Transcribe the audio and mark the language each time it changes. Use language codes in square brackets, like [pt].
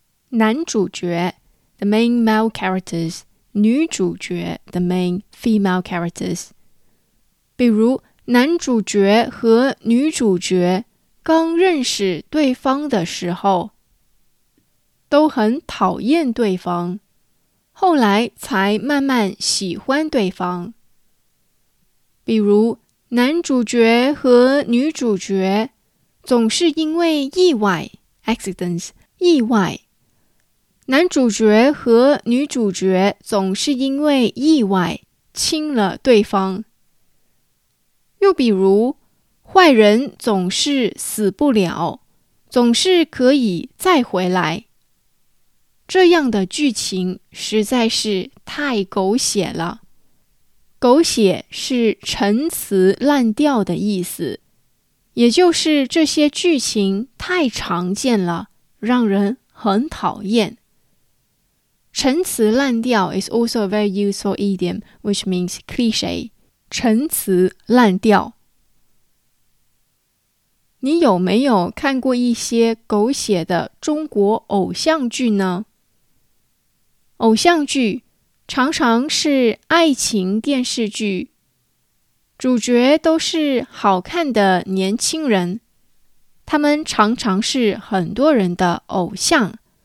[en] 男主角 the main male characters， 女主角 the main female characters。 [zh] 比如，男主角和女主角刚认识对方的时候，都很讨厌对方，后来才慢慢喜欢对方。比如，男主角和女主角总是因为意外 accidents， 意外。男主角和女主角总是因为意外亲了对方。又比如，坏人总是死不了，总是可以再回来。这样的剧情实在是太狗血了。狗血是陈词滥调的意思，也就是这些剧情太常见了，让人很讨厌。 [en] 陈词滥调 is also a very useful idiom, which means cliche. [zh] 陈词滥调。你有没有看过一些狗血的中国偶像剧呢？偶像剧常常是爱情电视剧，主角都是好看的年轻人，他们常常是很多人的偶像。